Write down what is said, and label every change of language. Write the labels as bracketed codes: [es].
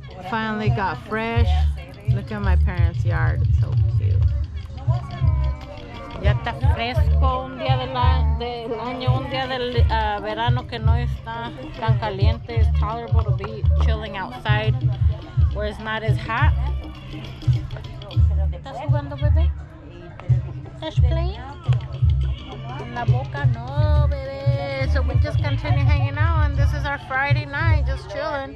[en] Finally got fresh. Look at my parents' yard, it's so cute. [es] Ya está fresco, un día del año, un día del verano que no está tan caliente. [en] It's tolerable to be chilling outside where it's not as hot. [es] ¿Estás jugando, bebé? ¿Estás playing? En la boca, no, bebé. [en] So we just continue hanging out, and this is our Friday night, just chilling.